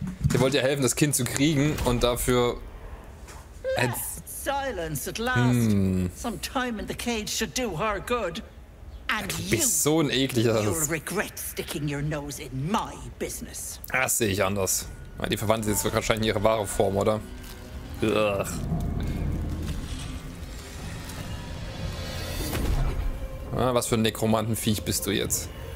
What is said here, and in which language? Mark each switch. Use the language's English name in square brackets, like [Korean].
[German] Sie wollte ihr helfen, das Kind zu kriegen und dafür. [English] Silence at last. Some time in the cage should do her good. [German] And du bist so ein ekliger. [English] You'll regret sticking your nose in my business. [German] Das sehe ich anders. Die verwandelt jetzt wahrscheinlich ihre wahre Form, oder? Ugh. Ah, was für ein Nekromantenviech bist du jetzt?